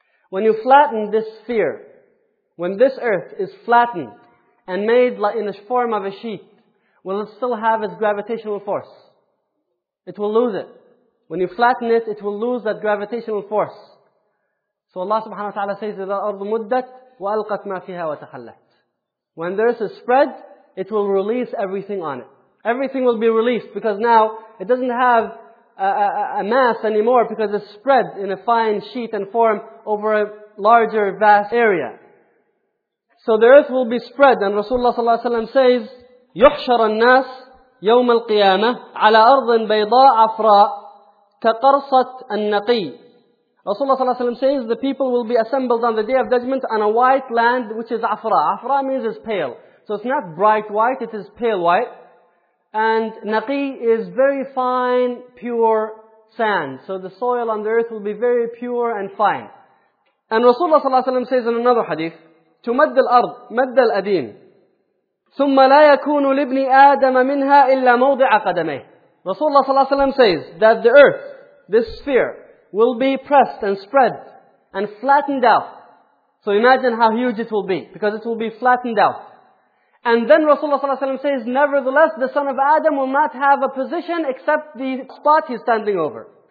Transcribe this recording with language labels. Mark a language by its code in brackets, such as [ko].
[en] When you flatten this sphere, when this earth is flattened and made in the form of a sheet, will it still have its gravitational force? It will lose it. When you flatten it, it will lose that gravitational force. [ar] So Allah subhanahu wa ta'ala says, إِذَا الْأَرْضُ مُدَّتْ وَأَلْقَتْ مَا فِيهَا وَتَخَلَّتْ. [en] When the earth is spread, it will release everything on it. Everything will be released because now it doesn't have a mass anymore because it's spread in a fine sheet and form over a larger, vast area. So the earth will be spread. [ar] And Rasulullah sallallahu alayhi wa sallam says, يُحْشَرَ النَّاسِ يوم القيامة على أرض بيضاء عفراء كقرصة النقي. [en] Rasulullah صلى الله عليه وسلم says, the people will be assembled on the day of judgment on a white land which is عفراء. عفراء means it's pale. So it's not bright white, it is pale white. And نقي is very fine, pure sand. So the soil on the earth will be very pure and fine. [ar] And Rasulullah صلى الله عليه وسلم [en] says in another hadith, [ar] تمد الأرض مد الأدين ثم لا يكون لابن آدم منها إلا موضع قدميه. [en] Rasulullah صلى الله عليه وسلم says that the earth, this sphere, will be pressed and spread and flattened out. So imagine how huge it will be, because it will be flattened out. And then Rasulullah صلى الله عليه وسلم says, nevertheless, the son of Adam will not have a position except the spot he's standing over.